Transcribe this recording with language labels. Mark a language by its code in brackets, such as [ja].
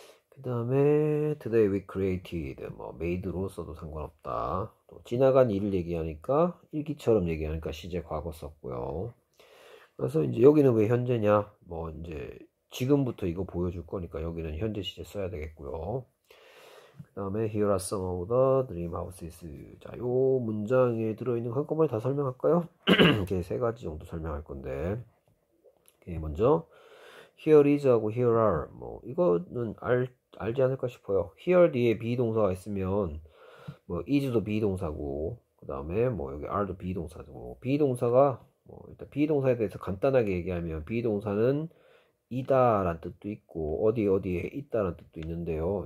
[ko] 그다음에 [en] today we created [ko] 뭐 made로 써도 상관없다. 또 지나간 일을 얘기하니까 일기처럼 얘기하니까 시제 과거 썼고요. 그래서 이제 여기는 왜 현재냐? 뭐 이제 지금부터 이거 보여줄 거니까 여기는 현재 시제 써야 되겠고요. 그다음에 [en] here are some of the dream houses. [ko] 자, 요 문장에 들어 있는 거 한꺼번에 다 설명할까요? 이렇게 세 가지 정도 설명할 건데. 이게 먼저 [en] here is [ko] 하고 [en] here are [ko] 뭐 이거는 알지 않을까 싶어요. Here 뒤에 be 동사가 있으면 뭐 is도 be 동사고 그 다음에 뭐 여기 are도 be 동사고 be 동사가 뭐 일단 be 동사에 대해서 간단하게 얘기하면 be 동사는 이다란 뜻도 있고 어디 어디에 있다란 뜻도 있는데요.